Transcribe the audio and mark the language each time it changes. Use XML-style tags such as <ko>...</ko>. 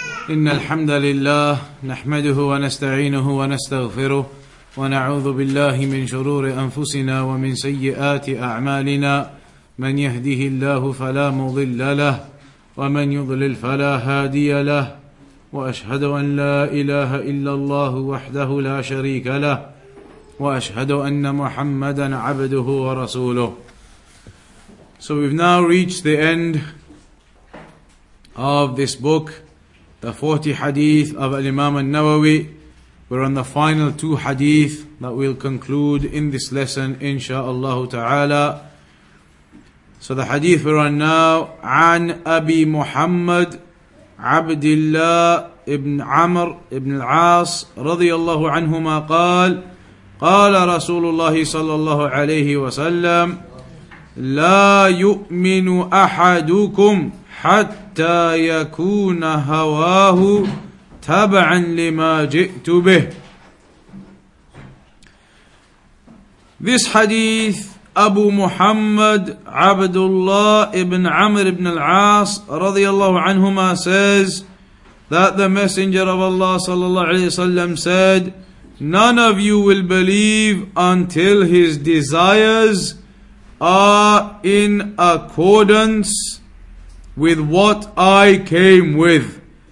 <ar>إن الحمد لله نحمده ونستعينه ونستغفره ونعوذ بالله من شرور أنفسنا ومن سيئات أعمالنا من يهده الله فلا مضل له ومن يضلل فلا هادي له وأشهد أن لا إله إلا الله وحده لا شريك له وأشهد أن محمدا عبده ورسوله.</ar> <en>So we've now reached the end of this book, the 40 hadith of Imam al-Nawawi. We're on the final two hadith that we'll conclude in this lesson, insha'Allah ta'ala. So the hadith we're on now,</en> <ar>عن أبي محمد عبد الله ابن عمر ابن العاص رضي الله عنهما قال قال رسول الله صلى الله عليه وسلم لا يؤمن أحدكم حتى يكون هواه تبعا لما جئت به.</ar> <en>This hadith, Abu Muhammad Abdullah ibn Amr ibn al-As radiyallahu anhuma, says that the Messenger of Allah sallallahu alayhi wa sallam said, none of you will believe until his desires are in accordance with what I came with.</en>